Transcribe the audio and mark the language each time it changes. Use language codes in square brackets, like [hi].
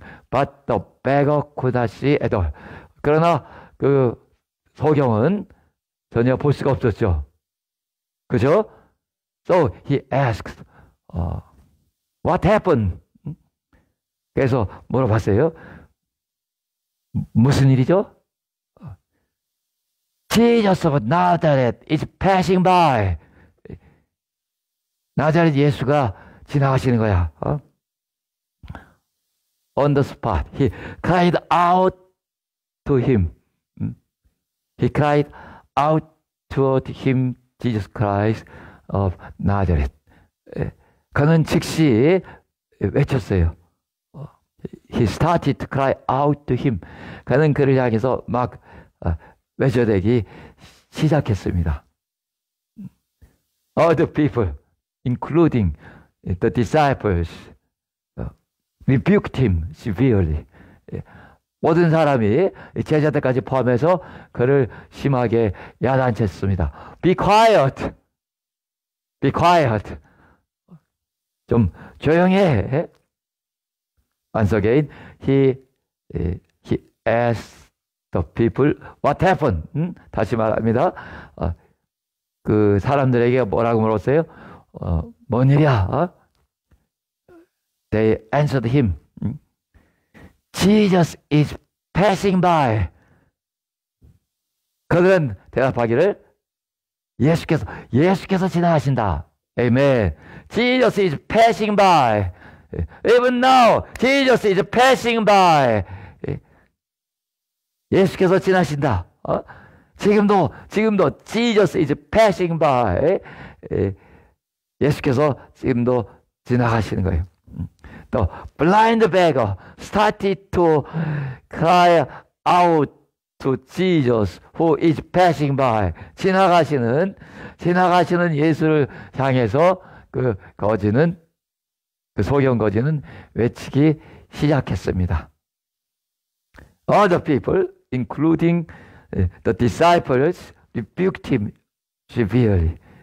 [en] But the beggar could not see at all. [ko] 그러나 그 소경은 전혀 볼 수가 없었죠. 그죠? [en] So he asks, what happened? [ko] 그래서 물어봤어요. 무슨 일이죠? [en] Jesus of Nazareth is passing by. [ko] 나자렛 예수가 지나가시는 거야. [en] On the spot, he cried out to him. He cried out toward him, Jesus Christ of Nazareth. [ko] 그는 즉시 외쳤어요. [en] He started to cry out to him. [ko] 그는 그를 향해서 막 외쳐대기 시작했습니다. [en] All the people, including the disciples, rebuked him severely. [ko] 모든 사람이 제자들까지 포함해서 그를 심하게 야단쳤습니다. [en] Be quiet! Be quiet! [ko] 좀 조용해! [en] Once again, he asked the people, what happened? [ko] 다시 말합니다. 그 사람들에게 뭐라고 물었어요? 뭔 일이야? [en] They answered him, Jesus is passing by. [ko] 그들은 대답하기를 예수께서 지나가신다. [en] Amen. Jesus is passing by. Even now, Jesus is passing by. [ko] 예수께서 지나신다. 지금도 [en] Jesus is passing by. [ko] 예수께서 지금도 지나가시는 거예요. [en] The blind beggar started to cry out to Jesus who is passing by. [ko] 지나가시는 예수를 향해서 그 거지는 그 소경 거지는 외치기 시작했습니다. [en] Other people, including the disciples, rebuked him severely.